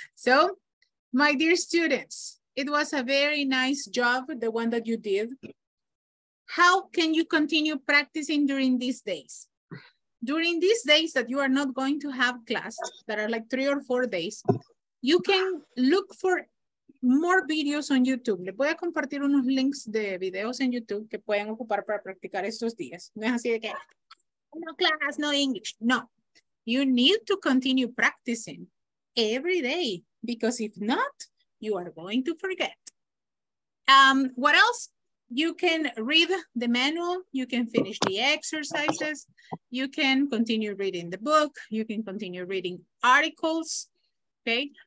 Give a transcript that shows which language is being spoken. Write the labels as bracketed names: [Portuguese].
[English] So, my dear students, it was a very nice job, the one that you did. How can you continue practicing during these days? During these days that you are not going to have class, that are like 3 or 4 days, you can look for more videos on YouTube. [Spanish] Le voy a compartir unos links de videos en YouTube que pueden ocupar para practicar estos días. No es así de que, [English] no class, no English. No, you need to continue practicing every day, because if not, you are going to forget. What else? You can read the manual, you can finish the exercises, you can continue reading the book, you can continue reading articles, okay?